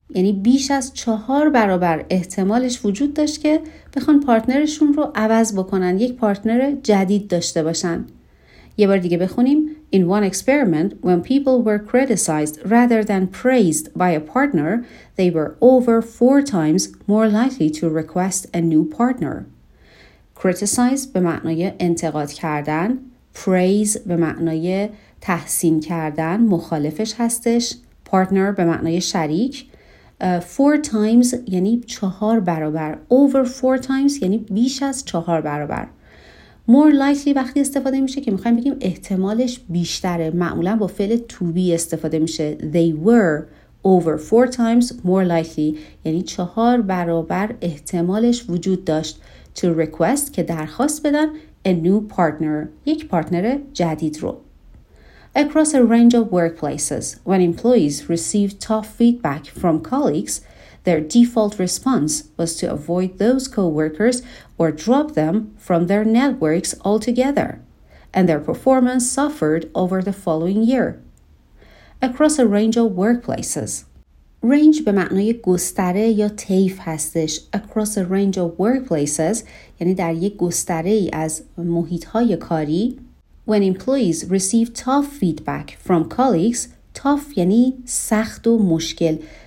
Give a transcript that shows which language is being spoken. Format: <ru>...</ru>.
<fa>یعنی بیش از 4 برابر احتمالش وجود داشت که بخوان پارتنرشون رو عوض بکنن، یک پارتنر جدید داشته باشن. یه بار دیگه بخونیم.</fa> <en>In one experiment, when people were criticized rather than praised by a partner, they were over 4 times more likely to request a new partner.</en> <fa>Criticize به معنای انتقاد کردن، praise به معنای تحسین کردن، مخالفش هستش، partner به معنای شریک، 4 times یعنی 4 برابر،</fa> <en>over 4 times</en> <fa>یعنی بیش از 4 برابر، more likely وقتی استفاده میشه که میخوایم بگیم احتمالش بیشتره، معمولا با فعل to be استفاده میشه،</fa> <en>they were over 4 times more likely،</en> <fa>یعنی 4 برابر احتمالش وجود داشت to request که درخواست بدن</fa> <en>a new partner،</en> <fa>یک پارتنر جدید رو.</fa> <en>Across a range of workplaces, when employees receive tough feedback from colleagues, their default response was to avoid those co-workers or drop them from their networks altogether, and their performance suffered over the following year. Across a range of workplaces.</en> <fa>Range به معنای گستره یا طیف هستش.</fa> <en>Across a range of workplaces</en> <fa>یعنی در یک گستره ای از محیط‌های کاری.</fa> <en>When employees receive tough feedback from colleagues, tough</en> <fa>یعنی سخت و مشکل.</fa>